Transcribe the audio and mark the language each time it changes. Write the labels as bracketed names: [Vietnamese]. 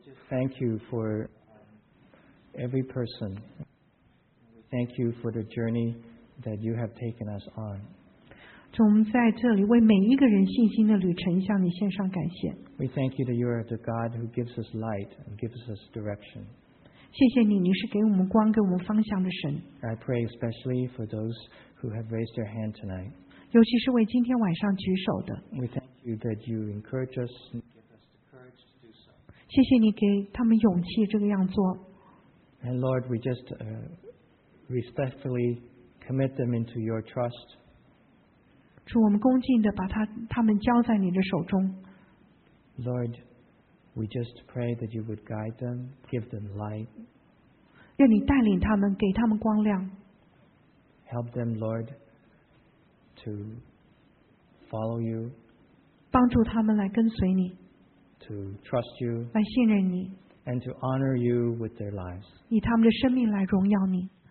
[English] Thank you for every person. Thank you for the journey. That you have taken us on. [Chinese] 主，我们在这里为每一个人信心的旅程向你献上感谢。 [English] We thank you that you are the God who gives us light and gives us direction. [Chinese] 谢谢你，你是给我们光、给我们方向的神。 [English] I pray especially for those who have raised their hand tonight. [Chinese] 尤其是为今天晚上举手的。 [English] We thank you that you encourage us and give us the courage to do so. [Chinese] 谢谢你给他们勇气这个样做。 [English] And Lord, we just respectfully. Commit them into your trust. [Chinese] 主，我们恭敬地把他们交在你的手中。 [English] Lord, we just pray that you would guide them, give them light. [Chinese] 愿你带领他们，给他们光亮。 [English] Help them, Lord, to follow you. [Chinese] 帮助他们来跟随你。 [English] To trust you. [Chinese] 来信任你。 [English] And to honor you with their lives. [Chinese] 以他们的生命来荣耀你。